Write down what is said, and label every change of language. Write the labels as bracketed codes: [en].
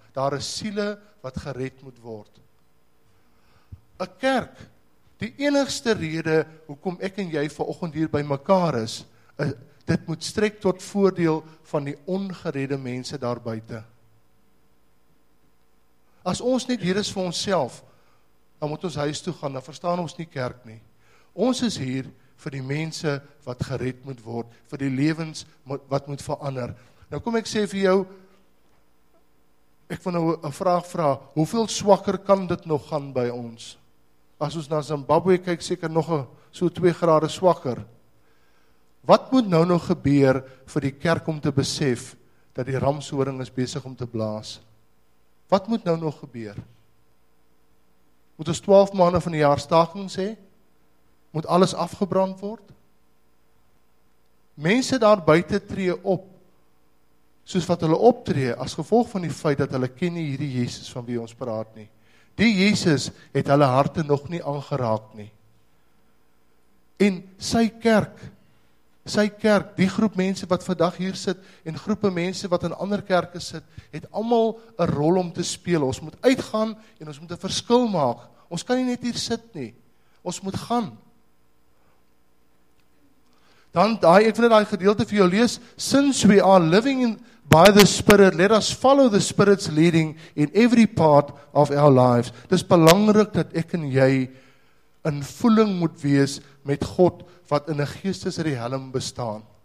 [af] Daar is siele wat gered moet word. Een kerk, die enigste rede hoekom ek en jy vanoggend hier by mekaar is, dit moet strek tot voordeel van die ongeredde mense daar buite. As ons net hier is vir onsself, dan moet ons huis toe gaan, dan verstaan ons nie kerk nie. Ons is hier vir die mense wat gered moet word, vir die lewens wat moet verander. Nou kom ek sê vir jou, ek wil nou een vraag vra, hoeveel swakker kan dit nog gaan by ons? As ons na Zimbabwe kyk, seker nog so 2 grade swakker. Wat moet nou nog gebeur vir die kerk om te besef dat die ramshoring is besig om te blaas? Wat moet nou nog gebeur? Moet ons 12 maande van die jaar staking sê? Moet alles afgebrand word? Mense daar buite tree op, soos wat hulle optree, as gevolg van die feit dat hulle ken nie hierdie Jesus van wie ons praat nie. Die Jesus het hulle harte nog nie aangeraak nie. En sy kerk, die groep mense wat vandag hier sit, en groepe mense wat in ander kerke sit, het allemaal een rol om te speel. Ons moet uitgaan, en ons moet een verskil maak. Ons kan nie net hier sit nie. Ons moet gaan. Dan daai, ek wil daai gedeelte vir jou lees, [en] since we are living in by the Spirit, let us follow the Spirit's leading in every part of our lives. [af] Dis belangrik dat ek en jy in voeling moet wees met God wat in 'n geestesriem bestaan.